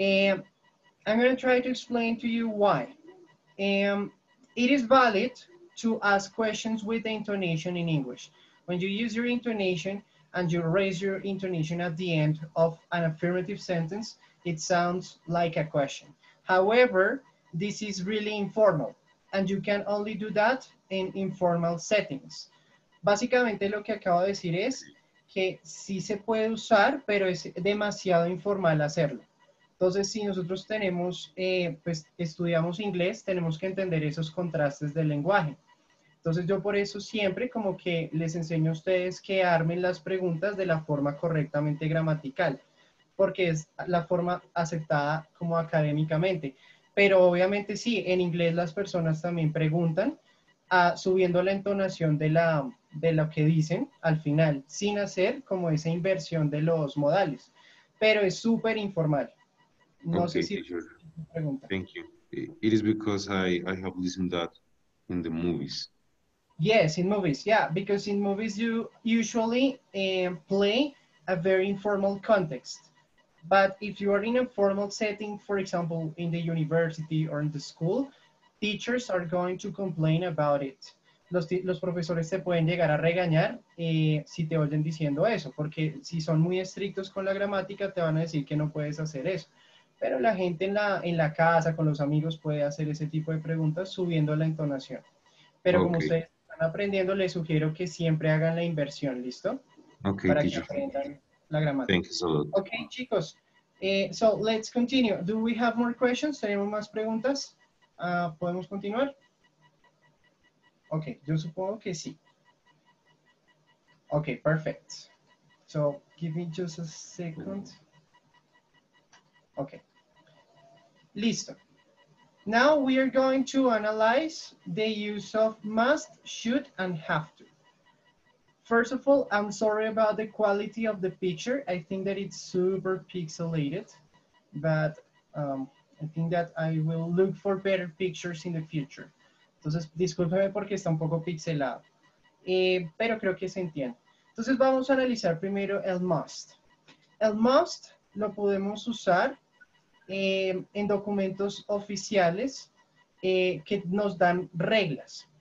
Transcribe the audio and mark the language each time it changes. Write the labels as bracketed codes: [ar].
[en] I'm going to try to explain to you why. It is valid to ask questions with the intonation in English. When you use your intonation and you raise your intonation at the end of an affirmative sentence, it sounds like a question. However, this is really informal, and you can only do that in informal settings. [es] Básicamente lo que acabo de decir es que sí se puede usar, pero es demasiado informal hacerlo. Entonces, si nosotros tenemos, pues estudiamos inglés, tenemos que entender esos contrastes del lenguaje. Entonces, yo por eso siempre como que les enseño a ustedes que armen las preguntas de la forma correctamente gramatical, porque es la forma aceptada como académicamente. Pero obviamente sí, en inglés las personas también preguntan subiendo la entonación de lo que dicen al final, sin hacer como esa inversión de los modales. Pero es súper informal. No [en] okay, [es] sé si [en] sure. Thank you. It is because I have listened that in the movies. Yes, in movies, yeah, because in movies you usually play a very informal context. But if you are in a formal setting, for example, in the university or in the school, teachers are going to complain about it. [es] los profesores te pueden llegar a regañar si te oyen diciendo eso, porque si son muy estrictos con la gramática, te van a decir que no puedes hacer eso. Pero la gente en la casa, con los amigos, puede hacer ese tipo de preguntas subiendo la entonación. Pero okay, como ustedes están aprendiendo, les sugiero que siempre hagan la inversión, ¿listo? [en] Ok, [es] para que aprendan la gramática. [en] Thank you so much. Ok, chicos. So, let's continue. Do we have more questions? [es] ¿Tenemos más preguntas? ¿Podemos continuar? Ok, yo supongo que sí. [en] Ok, perfect. So, give me just a second. Ok. Listo. Now we are going to analyze the use of must, should, and have to. First of all, I'm sorry about the quality of the picture. I think that it's super pixelated, but I think that I will look for better pictures in the future. [es] Entonces, discúlpeme porque está un poco pixelado, pero creo que se entiende. Entonces, vamos a analizar primero el must. El must lo podemos usar en documentos oficiales que nos dan reglas.